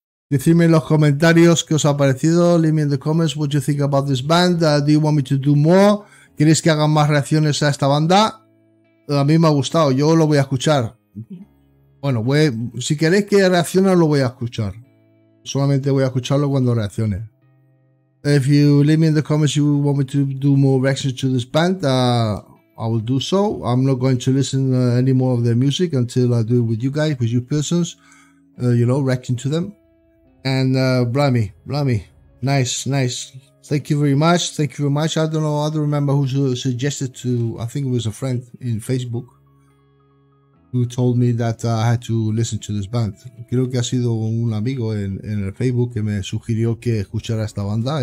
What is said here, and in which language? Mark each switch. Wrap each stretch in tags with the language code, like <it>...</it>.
<es>Decidme en los comentarios qué os ha parecido.</es> <en>Leave me in the comments what you think about this band. Do you want me to do more?</en> <es>¿Queréis que hagan más reacciones a esta banda? A mí me ha gustado, yo lo voy a escuchar. Bueno, si queréis que reaccione, lo voy a escuchar. Solamente voy a escucharlo cuando reaccione.</es> <en>If you leave me in the comments you want me to do more reactions to this band, I will do so. I'm not going to listen any more of their music until I do it with you guys, with you persons, you know, reacting to them. And blimey, nice. Thank you very much. Thank you very much. I don't know. I don't remember who suggested to. I think it was a friend in Facebook who told me that I had to listen to this band.</en> <es>Creo que ha sido un amigo en el Facebook que me sugirió que escuchara esta banda.</es>